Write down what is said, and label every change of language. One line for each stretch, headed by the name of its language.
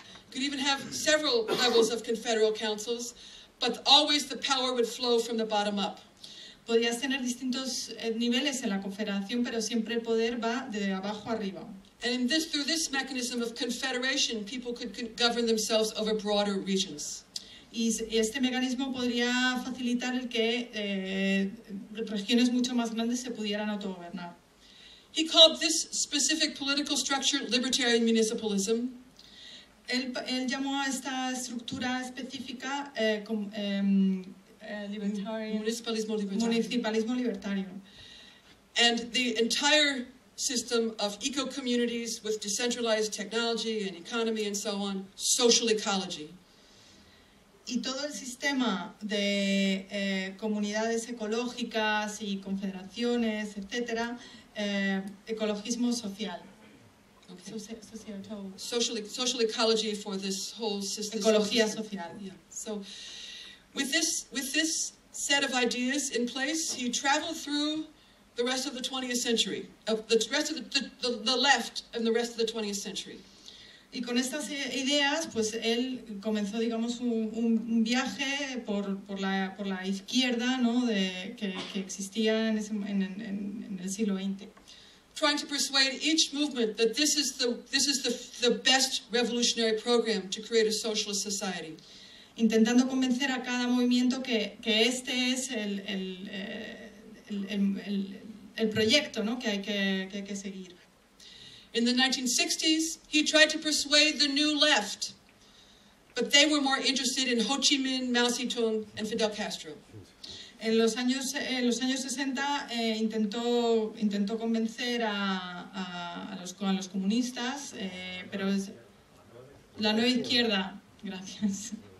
English: Could even have several levels of confederal councils, but always the power would flow from the bottom up.
Spanish: Podías tener distintos niveles en la confederación, pero siempre el poder va de abajo arriba.
English: And in this, through this mechanism of confederation, people could govern themselves over broader regions.
Spanish: Y este mecanismo podría facilitar el que regiones mucho más grandes se pudieran autogobernar.
English: He called this specific political structure libertarian municipalism.
Spanish: Él llamó a esta estructura específica municipalismo libertario.
English: And the entire system of eco-communities with decentralized technology and economy and so on, social ecology.
Spanish: Y todo el sistema de comunidades ecológicas y confederaciones, etcétera, ecologismo social.
English: Okay. Social ecology for this whole system.
Spanish: Ecología social.
English: Yeah. So, with this set of ideas in place, he traveled through the rest of the 20th century, the left and the rest of the 20th century.
Spanish: Y con estas ideas, pues él comenzó, digamos, un viaje por la izquierda, ¿no? que existía en el siglo XX.
English: Trying to persuade each movement that this is the best revolutionary program to create a socialist society.
Spanish: Intentando convencer a cada movimiento que este es el proyecto, ¿no? que hay que seguir.
English: In the 1960s, he tried to persuade the new left, but they were more interested in Ho Chi Minh, Mao Zedong, and Fidel Castro.
Spanish: En los años 60 intentó convencer a los comunistas, pero es la nueva izquierda, gracias.